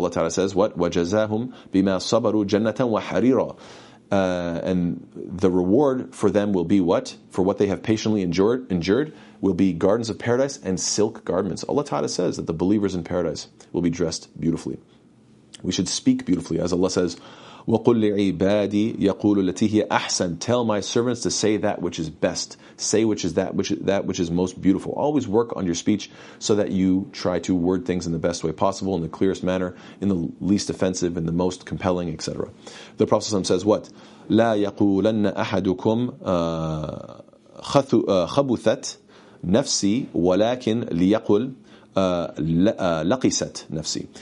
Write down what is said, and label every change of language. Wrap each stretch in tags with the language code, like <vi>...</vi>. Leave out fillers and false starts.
<en>Allah Ta'ala says, what?</en> <ar>وَجَزَاهُمْ بِمَا صَبَرُوا جَنَّةً وَحَرِيرًا.</ar> <en>And the reward for them will be what? For what they have patiently endured will be gardens of paradise and silk garments. Allah Ta'ala says that the believers in paradise will be dressed beautifully. We should speak beautifully. As Allah says,</en> <ar>وَقُلْ لِعِبَادِي يَقُولُ لَتِي هِيَ أَحْسَنُ.</ar> <en>Tell my servants to say that which is best. Say which is that which is most beautiful. Always work on your speech so that you try to word things in the best way possible, in the clearest manner, in the least offensive, in the most compelling, etc. The Prophet ﷺ says what?</en> <ar>لَا يَقُولَنَّ أَحَدُكُمْ خَبُثَتْ نَفْسِي وَلَكِنْ لِيَقُلْ لَقِسَتْ نَفْسِي.</ar>